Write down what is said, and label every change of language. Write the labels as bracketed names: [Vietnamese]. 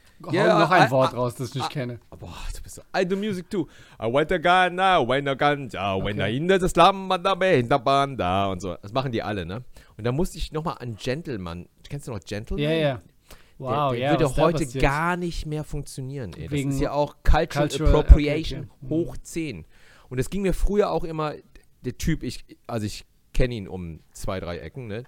[German] Yeah, hau noch ein Wort raus, das ich nicht kenne. Boah, du bist so, [English] I do music too. I went to Ghana, went to Ganja, went to in the slum, and I'm in the banda [German] und so. Das machen die alle, ne? Und da musste ich nochmal an Gentleman, kennst du noch Gentleman? Ja, yeah, ja. Yeah. Wow, ja. Der würde heute gar nicht mehr funktionieren, ey. Wegen das ist ja auch Cultural Appropriation hoch 10. Und das ging mir früher auch immer, der Typ, ich kenne ihn um 2, 3 Ecken, ne?